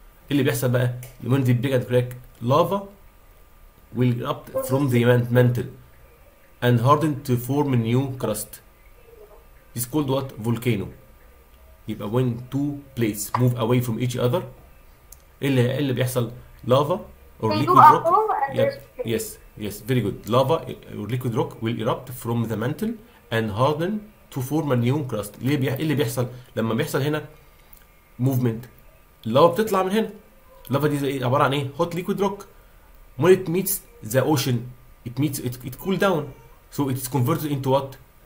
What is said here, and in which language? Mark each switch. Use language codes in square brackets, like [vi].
[ar] اللي بيحصل بقى [en] when they break and crack lava will erupt from the mantle and harden to form a new crust. It's called what? Volcano. يبقى when two plates move away from each other [ar] اللي بيحصل [en] lava or liquid rock. Yes, yes, very good. Lava or liquid rock will erupt from the mantle and harden to form a new crust. [ar] ليه اللي بيحصل لما بيحصل هنا movement؟ lava بتطلع من هنا. lava دي عبارة عن ايه؟ [en] hot liquid rock. when it meets the ocean it meets it cool down so it's converted into what?